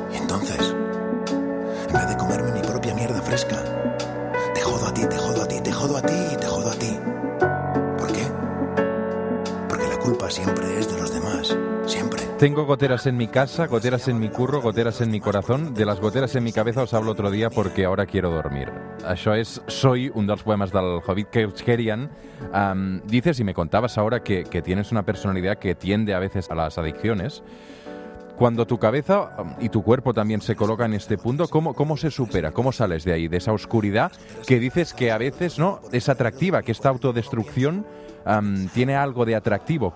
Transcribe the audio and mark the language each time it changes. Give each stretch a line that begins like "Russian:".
Spanish: Y entonces, en vez de comerme mi propia mierda fresca, te jodo a ti, te jodo a ti, te jodo a ti y te jodo a ti. ¿Por qué? Porque la culpa siempre es de los demás, siempre. Tengo goteras en mi casa, goteras en mi curro, goteras en mi corazón. De las goteras en mi cabeza os hablo otro día porque ahora quiero dormir.
Catalan: Això és Soy, un dels poemes del Hobbit Keuskerian.
Spanish: Dices, y me contabas ahora, que tienes una personalidad que tiende a veces a las adicciones. Cuando tu cabeza y tu cuerpo también se colocan en este punto, ¿cómo se supera? ¿Cómo sales de ahí, de esa oscuridad que dices que a veces no es atractiva, que esta autodestrucción tiene algo de atractivo?